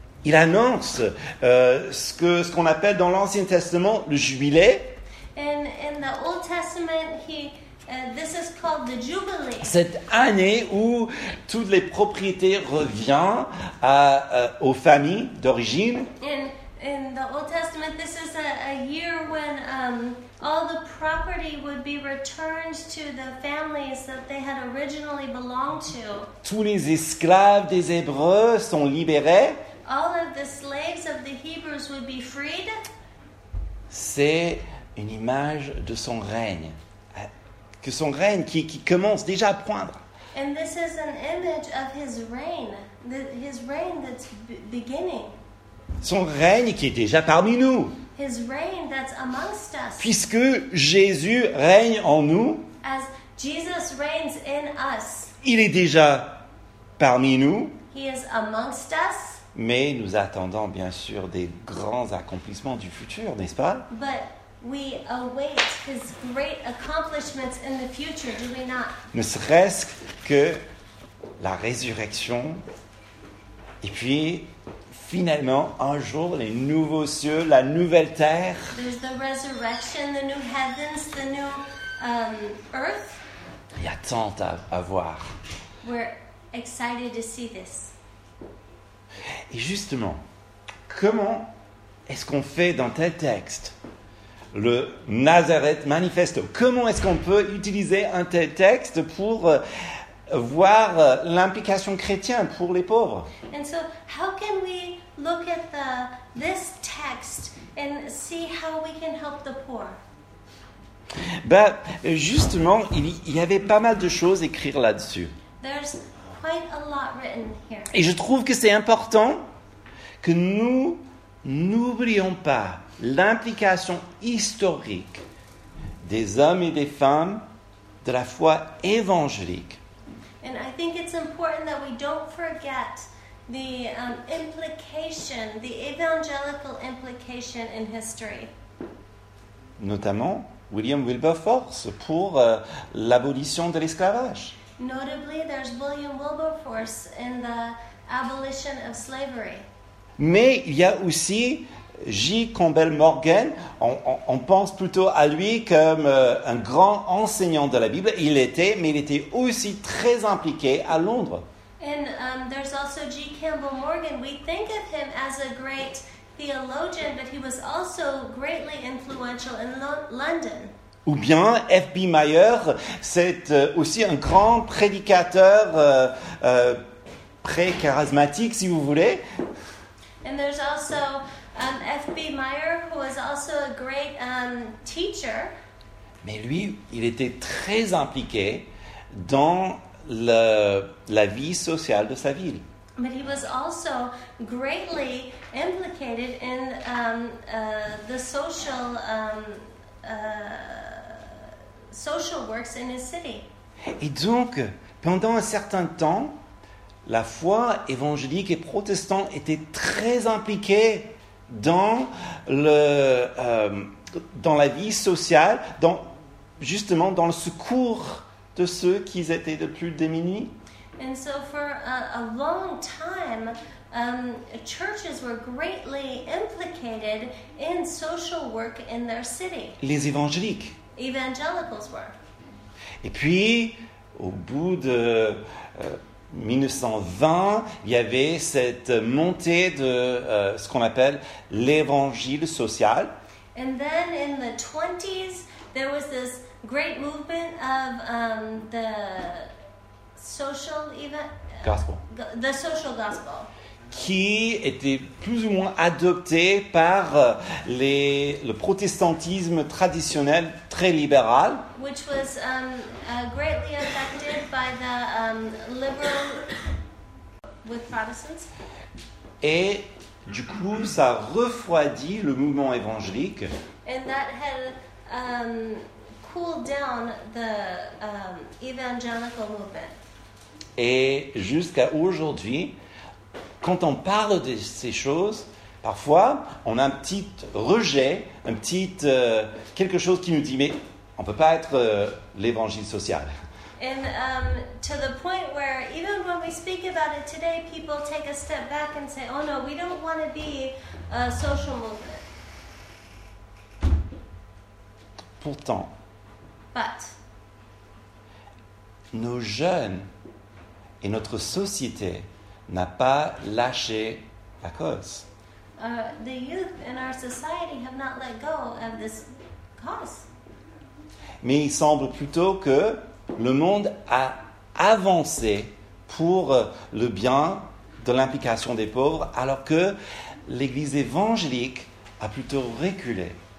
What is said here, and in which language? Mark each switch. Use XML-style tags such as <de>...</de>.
<fr>Il annonce ce qu'on appelle dans l'Ancien Testament le jubilé.</fr> <en>And in the Old Testament, he this is called the Jubilee.</en> <fr>Cette année où toutes les propriétés reviennent aux familles d'origine.</fr> <en>In the Old Testament, this is a year when all the property would be returned to the families that they had originally belonged to.</en> <fr>Tous les esclaves des Hébreux sont libérés.</fr> <en>All of the slaves of the Hebrews would be freed.</en> <fr>C'est une image de son règne. Que son règne qui commence déjà à poindre.</fr> <en>And this is an image of his reign, his reign that's beginning.</en> <fr>Son règne qui est déjà parmi nous.</fr> <en>His reign that's amongst us.</en> <fr>Puisque Jésus règne en nous.</fr> <en>As Jesus reigns in us.</en> <fr>Il est déjà parmi nous.</fr> <en>He is amongst us.</en> <fr>Mais nous attendons bien sûr des grands accomplissements du futur, n'est-ce pas?</fr> <en>But we await his great accomplishments in the future, do we not?</en> <fr>Ne serait-ce que la résurrection, et puis finalement, un jour, les nouveaux cieux, la nouvelle terre.</fr> <en>There's the resurrection, the new heavens, the new earth.</en> <fr>Il y a tant à voir.</fr> <en>We're excited to see this.</en> <fr>Et justement, comment est-ce qu'on fait dans tel texte? Le Nazareth Manifesto. Comment est-ce qu'on peut utiliser un tel texte pour voir l'implication chrétienne pour les pauvres?</fr> <en>And so, how can we look at this text and see how we can help the poor?</en> <fr>Ben, justement, il y avait pas mal de choses écrites là-dessus.</fr> <en>There's quite a lot written here.</en> <fr>Et je trouve que c'est important que nous n'oublions pas l'implication historique des hommes et des femmes de la foi évangélique.</fr> <en>And I think it's important that we don't forget the implication, the evangelical implication in history.</en> <fr>Notamment William Wilberforce pour l'abolition de l'esclavage.</fr> <en>Notably, there's William Wilberforce in the abolition of slavery.</en> <fr>Mais il y a aussi J. Campbell Morgan, on pense plutôt à lui comme un grand enseignant de la Bible. Il était, mais il était aussi très impliqué à Londres.</fr> <en>And there's also G. Campbell Morgan. We think of him as a great theologian, but he was also greatly influential in London.</en> <fr>Ou bien F.B. Meyer, c'est aussi un grand prédicateur pré-charismatique, si vous voulez.</fr> <en>And there's also F.B. Meyer, who was also a great teacher.</en> <fr>Mais lui, il était très impliqué dans la vie sociale de sa ville.</fr> <en>But he was also greatly implicated in the social works in his city.</en> <fr>Et donc, pendant un certain temps, la foi évangélique et protestante était très impliquée dans la vie sociale, dans le secours de ceux qui étaient de plus démunis.</fr> <en>And so for a long time, churches were greatly implicated in social work in their city.</en> <fr>Les évangéliques.</fr> <en>evangelicals were.</en> <fr>Et puis, au bout de 1920, il y avait cette montée de ce qu'on appelle l'évangile social.</fr> <en>And then in the 20s, there was this great movement of the social gospel. The social gospel.</en> <fr>Qui était plus ou moins adopté par le protestantisme traditionnel très libéral.</fr> <en>Which was greatly affected by the liberal with Protestants.</en> <fr>Et du coup, ça refroidit le mouvement évangélique.</fr> <en>And that had cooled down the evangelical movement.</en> <fr>Et jusqu'à aujourd'hui, quand on parle de ces choses, parfois, on a un petit rejet, un petit quelque chose qui nous dit, mais on ne peut pas être l'évangile social.</fr> <en>And to the point where even when we speak about it today, people take a step back and say, oh no, we don't want to be a social movement.</en> <fr>Pourtant,</fr> <en>but</en> <fr>nos jeunes et notre société n'a pas lâché la cause.</fr> <en>The youth in our society have not let go of this cause.</en> <fr>Mais il semble plutôt que le monde a avancé pour le bien de l'implication des pauvres, alors que l'Église évangélique a plutôt reculé.</fr>